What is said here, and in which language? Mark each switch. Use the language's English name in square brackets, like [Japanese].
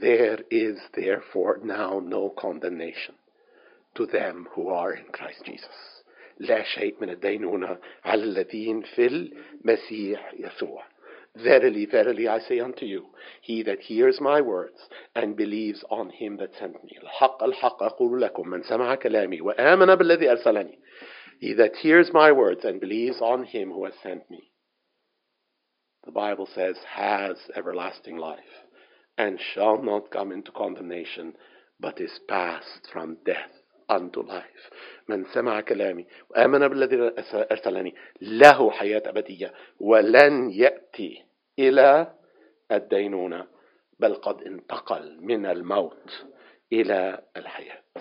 [English] There is therefore now no condemnation to them who are in Christ Jesus. [Arabic] لَا شَيْءٍ مِنَ الدَّيْنُونَ عَلَّذِينَ فِي الْمَسِيحِ يَسُوعَ. [English] Verily, verily, I say unto you, he that hears my words and believes on him that sent me. [Arabic] الحق الحق أقول لكم من سمع كلامي وآمن بالذي أرسلني. [English] He that hears my words and believes on him who has sent me. The Bible says, has everlasting life and shall not come into condemnation, but is passed from death unto life. [Arabic] من سمع كلامي وآمن بالذي أرسلني له حياة أبدية ولن يأتي إلى الدينونة بل قد انتقل من الموت إلى الحياة.